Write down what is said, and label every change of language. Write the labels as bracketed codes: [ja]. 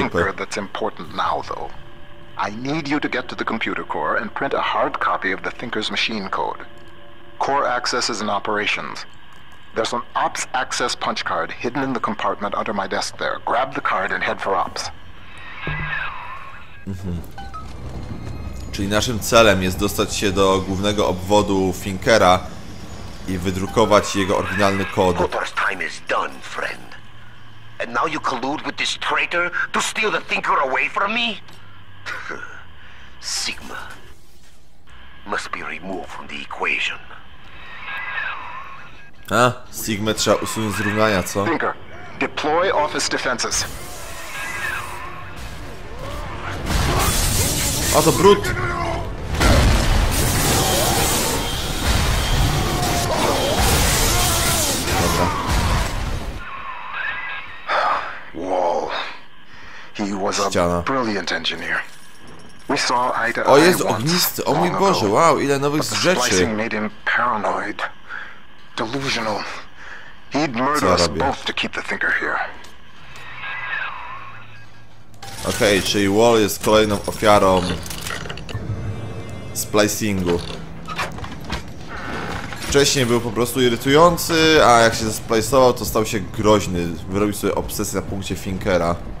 [en] It's the thinker that's important now, though. I need you to get to the computer core and print a hard copy of the thinker's machine code. Core accesses and operations. There's an ops access punch card hidden in the compartment under my desk there. Grab the card and head for ops. [pl] Czyli naszym celem jest dostać się do głównego obwodu Finkera i wydrukować jego oryginalny kod. [en] Cooper's time is done, friend. And now you collude with this traitor to steal the thinker away from me? Sigma must be removed from the equation. [pl] A, Sigma trzeba usunąć z równania, co? [en] Thinker, deploy office defenses. [pl] A to brud! [en] Wall. He was [pl] ściana. [en] A brilliant engineer. We saw eye to eye. [pl] O Jezu, ognisty, o mój Boże, wow, ile nowych rzeczy. [en] Splicing made him paranoid, delusional. He'd murder us both to keep the thinker here. [pl] Okej, okay, czyli Wall jest kolejną ofiarą splicingu. Wcześniej był po prostu irytujący, a jak się splajsował, to stał się groźny. Wyrobił sobie obsesję na punkcie Finkera.